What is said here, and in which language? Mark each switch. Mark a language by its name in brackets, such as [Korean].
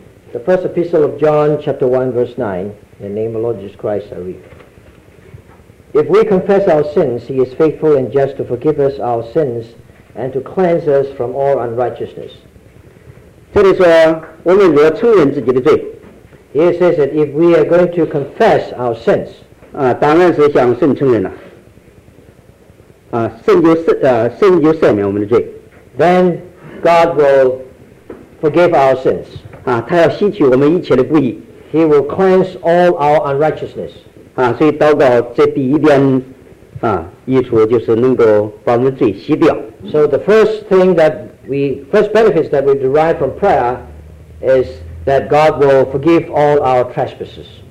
[English] The first epistle of John, chapter 1, verse 9, in the name of Lord Jesus Christ, I read. If we confess our sins, He is faithful and just to forgive us our sins and to cleanse us from all unrighteousness. [Chinese] 这里说, [English] Here says that if we are going to confess our sins, [Chinese] 当然是向圣承认了,圣就赦免我们的罪, [English] then God will forgive our sins. [Chinese] 他要洗去我们一切的不义, [English] He will cleanse all our unrighteousness. [Chinese] 所以祷告这第一点益处就是能够把我们罪洗掉。 [English] So the first thing that we, first benefits that we derive from prayer is that God will forgive all our trespasses.